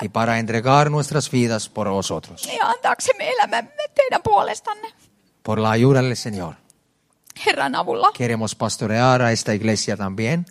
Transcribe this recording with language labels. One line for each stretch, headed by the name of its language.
Spanish: Y para entregar nuestras vidas por vosotros.
Finnish: Ja antaaksemme elämämme teidän puolestanne.
Spanish: Por la ayuda del Señor.
Finnish: Herran avulla.
Spanish: Queremos pastorear a esta iglesia también.